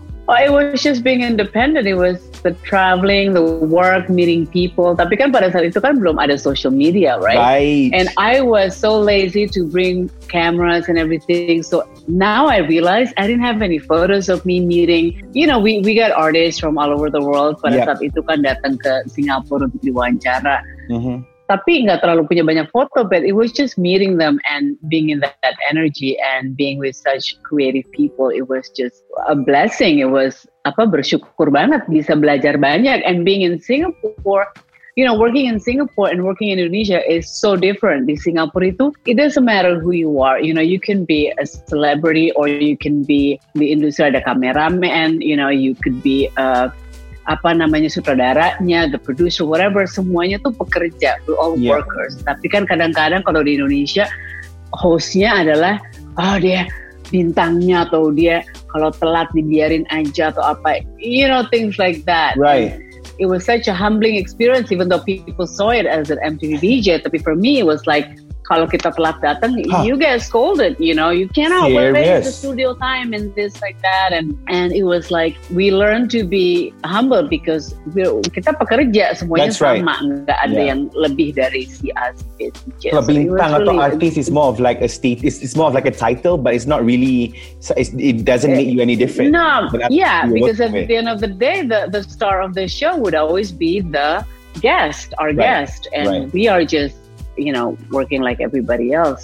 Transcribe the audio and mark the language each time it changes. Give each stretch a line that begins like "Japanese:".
English: Well, it was just being independent. It was the traveling, the work, meeting people.
Indonesian: Tapi kan pada saat itu kan belum ada social media,
English: right? Right. And I was so lazy to bring cameras and everything. So now I realize I didn't have any photos of me meeting. You know, we got artists from all over the world.
Indonesian: Pada saat itu kan datang ke Singapura untuk diwawancara. Tapi nggak terlalu punya banyak foto,
English: but it was just meeting them and being in that energy and being with such creative people. It was just a blessing. It was
Indonesian: bersyukur banget bisa belajar banyak.
English: And being in Singapore, you know, working in Singapore and working in Indonesia is so different.
Indonesian: Di Singapura itu,
English: it doesn't matter who you are. You know, you can be a celebrity or you can be the industry
Indonesian: ada kameramen.
English: You know, you could be a sutradaranya, the producer, whatever,
Indonesian: semuanya tuh pekerja,
English: we're all workers.
Indonesian: Tapi kan kadang-kadang kalau di Indonesia, hostnya adalah, oh dia bintangnya, atau dia kalau telat dibiarin aja, atau apa,
English: you know, things like that. Right. It was such a humbling experience, even though people saw it as an MTV DJ, tapi for me, it was like,
Indonesian: kalau kita telat datang,
English: you get scolded, you know. You cannot wait for the studio time and this like that. And it was like, we learned to be humble because
Indonesian: kita pekerja semuanya sama. Nggak ada yang lebih dari si artis. Kalau bintang atau artis
English: is more of like a state, it's more of like a title, but it's not really, it doesn't make you any different. No, yeah, because at the end of the day, the star of the show would always be the guest, our guest. And we are just, you know, working like everybody else.